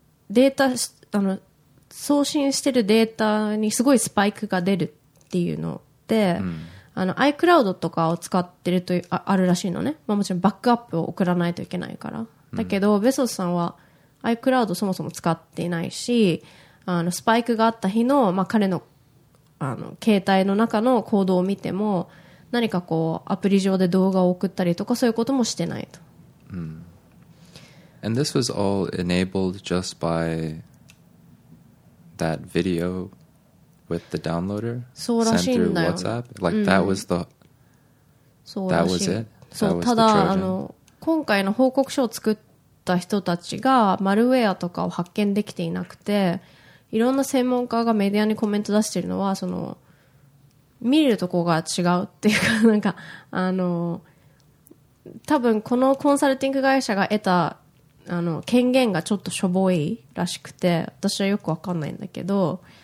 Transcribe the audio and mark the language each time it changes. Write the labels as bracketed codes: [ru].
[ja] データ、あの送信してるデータにすごいスパイクが出るっていうのって、うん、あの iCloud とかを使ってると あるらしいのね、まあ、もちろんバックアップを送らないといけないから、うん、だけどベゾスさんは iCloud そもそも使っていないし、あのスパイクがあった日の、まあ、彼 の, あの携帯の中の行動を見ても何かこうアプリ上で動画を送ったりとかそういうこともしてないと、 [en] うん、And this was all enabled just by that videoWith the downloader sent through WhatsApp, like、うん、 that was the that was it. [ja] そう、ただあの今回の報告書を作った人たちがマルウェアとかを発見できていなくて、いろんな専門家がメディアにコメント出しているのはその見るとこが違うっていうか、なんかあの多分このコンサルティング会社が得たあの権限がちょっとしょぼいらしくて、私はよくわかんないんだけど。